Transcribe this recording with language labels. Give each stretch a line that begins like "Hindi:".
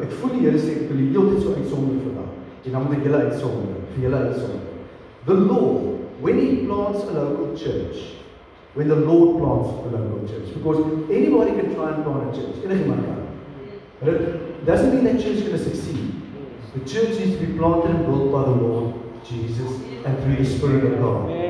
Afrikaans: Ek voel die Here sê ek wil die hele tyd so uitsonder vir nou. En dan moet ek julle uitsonder, vir julle uitsonder.
English: The Lord, when he plants a local church, when the Lord plants a local church, because anybody can try and plant a church, anybody can. But it doesn't mean that church is going to succeed. The church needs to be planted and built by the Lord Jesus and through the Spirit of God.